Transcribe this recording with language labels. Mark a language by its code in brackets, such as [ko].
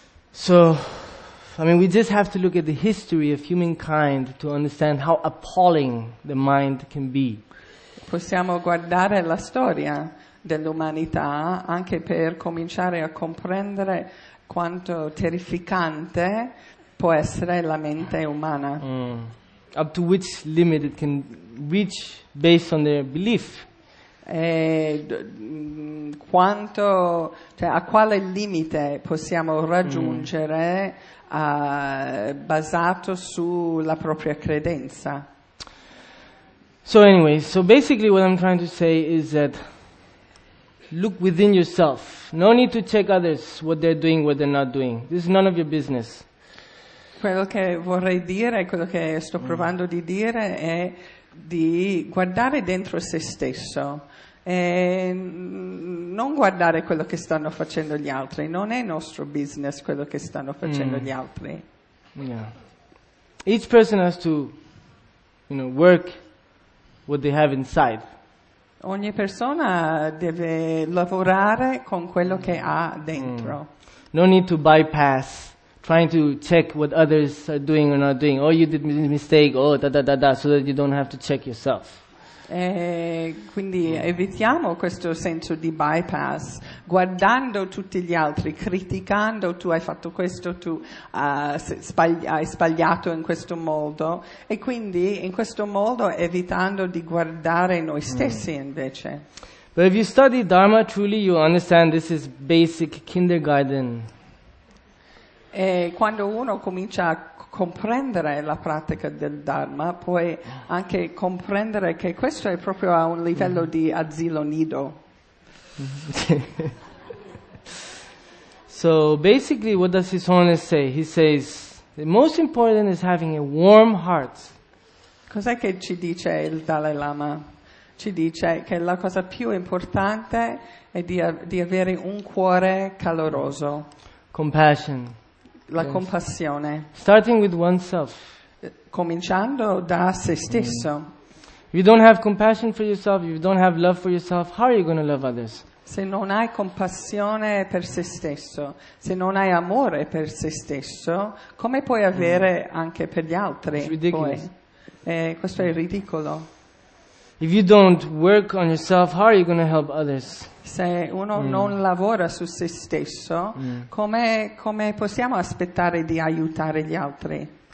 [en] So, I mean, we just have to look at the history of humankind to understand how appalling the mind can be. [it] Possiamo guardare la storia dell'umanità anche per cominciare a comprendere quanto terrificante può essere la mente umana. Mm. [en] Up to which limit it can reach based on their belief. [it] E quanto, cioè, a quale limite possiamo raggiungere basato sulla propria credenza. [en] So anyway, so basically what I'm trying to say is that look within yourself. No need to check others, what they're doing, what they're not doing. This is none of your business. [it] Quello che vorrei dire, quello che sto provando di dire è di guardare dentro se stesso. E non guardare quello che stanno facendo gli altri, non è nostro business quello che stanno facendo gli altri. [en] Yeah. Each person has to, you know, work what they have inside. [it] Ogni persona deve lavorare con quello che ha dentro. Mm. [en] No need to bypass trying to check what others are doing or not doing. Oh, you did a mistake, oh da da da da, so that you don't have to check yourself. [it] E quindi evitiamo questo senso di bypass, guardando tutti gli altri, criticando, tu hai fatto questo, tu hai sbagliato in questo modo, e quindi in questo modo evitando di guardare noi stessi invece. [en] But if you study Dharma truly, you understand this is basic kindergarten. [it] E quando uno comincia a comprendere la pratica del Dharma, puoi anche comprendere che questo è proprio a un livello di asilo nido. [en] So basically what does His Holiness say? He says the most important is having a warm heart. [it] Cos'è che ci dice il Dalai Lama? Ci dice che la cosa più importante è di avere un cuore caloroso. [en] Compassion. [it] La compassione. [en] Starting with oneself. [it] Cominciando da se stesso. [en] If you don't have compassion for yourself, if you don't have love for yourself, how are you going to love others? [it] Se non hai compassione per se stesso, se non hai amore per se stesso, come puoi avere anche per gli altri? [en] It's ridiculous. [it] Poi? Questo è ridicolo. [en] If you don't work on yourself, how are you going to help others? [it] Se uno non lavora su se stesso, come possiamo aspettare di aiutare gli altri?